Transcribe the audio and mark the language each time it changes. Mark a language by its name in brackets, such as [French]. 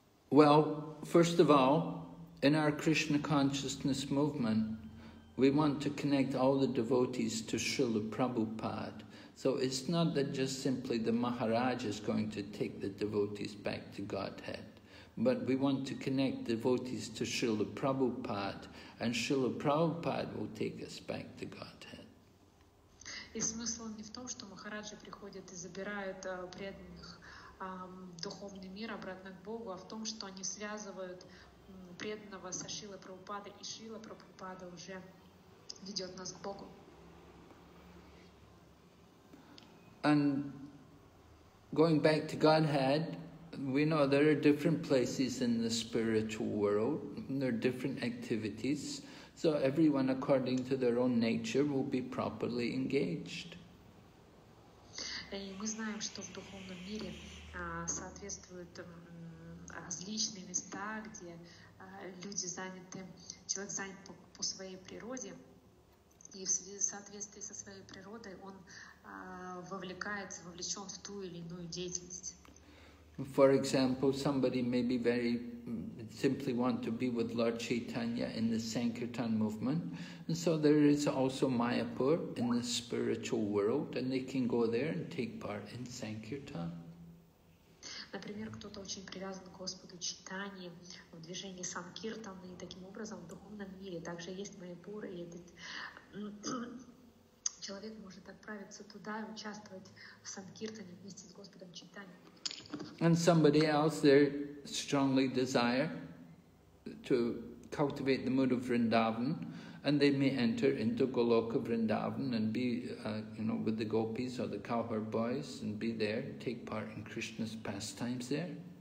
[English] Well, first of all, in our Krishna consciousness movement, we want to connect all the devotees to Srila Prabhupada. So it's not that just simply the Maharaj is going to take the devotees back to Godhead, but we want to connect devotees to Srila Prabhupada, and Srila Prabhupada will take us back to Godhead. [Russian] И смысл не в том, что Махараджи приходят и забирают преданных духовный мир обратно к Богу, а в том, что они связывают преданного со Шрилой Прабхупадой, и Шрила Прабхупада уже ведет нас к Богу. [English] And going back to Godhead, we know there are different places in the spiritual world, there are different activities, so everyone according to their own nature will be properly engaged. [Russian] И мы знаем, что в духовном мире соответствуют различные места, где люди заняты, человек занят по своей природе, и в соответствии со своей природой он вовлекается, вовлечен в ту или иную деятельность. [English] For example, somebody maybe very simply want to be with Lord Chaitanya in the Sankirtan movement, and so there is also Mayapur in the spiritual world, and they can go there and take part in Sankirtan. [Russian] Например, кто-то очень привязан к Господу Чайтанье, в движении Санкиртан, и таким образом в духовном мире также есть Майяпур, и этот человек может отправиться туда и участвовать в Санкиртане вместе с Господом Чайтанье. [English] And somebody else, they strongly desire to cultivate the mood of Vrindavan, and they may enter into Goloka Vrindavan and be, with the gopis or the cowherd boys and be there, take part in Krishna's pastimes there.